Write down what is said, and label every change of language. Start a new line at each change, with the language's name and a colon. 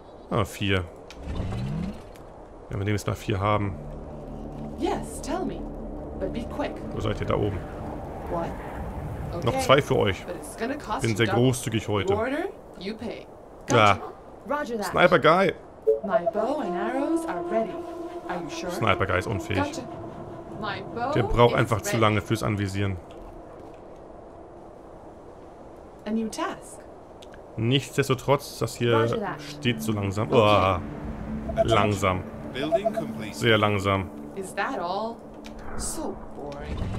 German: 1, 2, 4. Wenn wir demnächst mal 4 haben.
English: Yes, tell me. But be quick.
German: Wo seid ihr da oben?
English: What?
German: Okay. Noch 2 für euch. Bin sehr großzügig heute.
English: Order, you pay.
German: Ja.
English: Roger that. Sniper Guy. My bow and arrows are ready. Are you sure?
German: Sniper Guy ist unfähig.
English: Gotcha. My bow
German: Der braucht
English: is
German: einfach
English: ready.
German: Zu lange fürs Anvisieren.
English: A new task.
German: Nichtsdestotrotz, das hier steht so langsam. Okay. Oh, langsam. Sehr langsam.
English: Is that all? So boring.